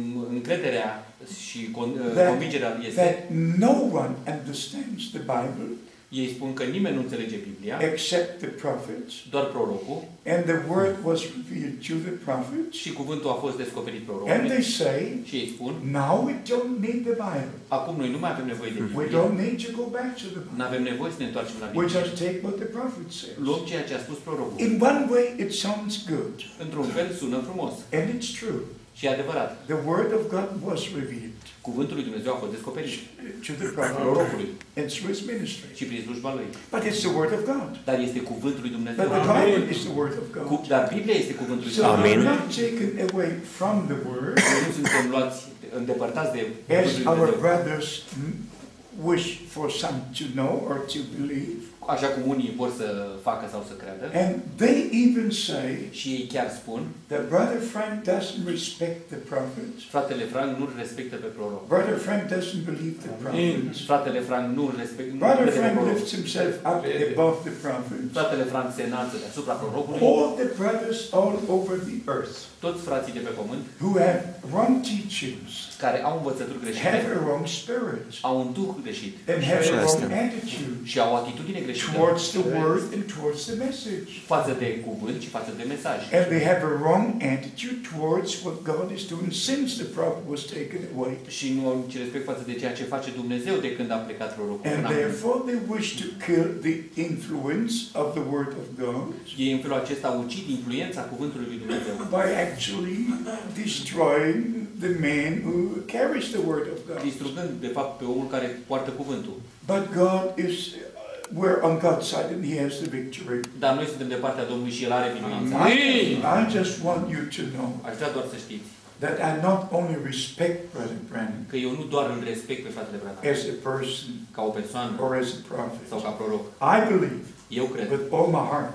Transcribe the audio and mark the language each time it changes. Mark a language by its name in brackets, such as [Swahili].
[Romanian] Încrederea și convingerea este [English] that no one understands the Bible. [Romanian] Ei spun că nimeni nu înțelege Biblia, [English] except the prophets, [Romanian] doar prorocul, [English] and the word was revealed to the prophets, [Romanian] și cuvântul a fost descoperit prorocului. [English] And they say, [Romanian] și ei spun, [English] now we don't need the Bible. [Romanian] Acum noi nu mai avem nevoie de Biblie. [English] We don't need to go back to the Bible. [Romanian] Nu avem nevoie să ne întoarcem la Biblie. [English] We just take what the prophet says. [Romanian] Luăm ceea ce a spus prorocul. [English] In one way it sounds good. [Romanian] Într-un fel sună frumos. [English] And it's true. [Romanian] Și adevărat. [English] The word of God was revealed. [Romanian] Cuvântul lui Dumnezeu a fost descoperit. [English] To the prophet. Through his ministry. [Romanian] Și prin slujba lui. [English] But it's the word of God. [Romanian] Dar este cuvântul lui Dumnezeu. [English] But the Bible is the word of God. [Romanian] Dar Biblia este cuvântul lui Dumnezeu. Amen. [English] So we're not taken away from the word. [Romanian] Nu suntem luați, îndepărtați de cuvântul lui Dumnezeu. [English] As our brothers wish for some to know or to believe. [Romanian] Așa cum unii vor să facă sau să creadă. [English] And they even say, [Romanian] și ei chiar spun, [English] that Brother Frank doesn't respect the prophets. [Romanian] Fratele Frank nu respectă pe proroc. [English] Brother Frank doesn't believe the prophets. [Romanian] Fratele Frank nu respectă. [English] Brother Frank lifts himself up above the prophets. [Romanian] Fratele Frank se înalță deasupra prorocului. [English] All the brothers all over the earth, [Romanian] toți frații de pe pământ, [English] who have wrong teachings, [Romanian] care au învățături greșite, [English] have a wrong spirit, [Romanian] au un duh greșit, [English] and have a wrong attitude, [Romanian] și au atitudine greșită [English] towards the word and towards the message. [Romanian] Față de cuvânt și față de mesaj. [English] And they have a wrong attitude towards what God is doing since the prophet was taken away. [Romanian] Și nu au nici respect față de ceea ce face Dumnezeu de când a plecat prorocul. [English] And therefore they wish to kill the influence of the word of God. [Romanian] Ei în felul acesta ucid influența cuvântului lui Dumnezeu. [English] By actually destroying the man who carries the word of God. [Romanian] Distrugând de fapt pe omul care poartă cuvântul. [English] But God is we're on God's side and he has the victory. [Romanian] Dar noi suntem de partea Domnului și el are biruința. [English] I just want you to know. [Romanian] Aș vrea doar să știți. [English] That I not only respect Brother Branham. [Romanian] Că eu nu doar îl respect pe fratele Branham. [English] As a person. [Romanian] Ca o persoană. [English] Or as a prophet. [Romanian] Sau ca proroc. [English] I believe. [Romanian] Eu cred. [English] With all my heart.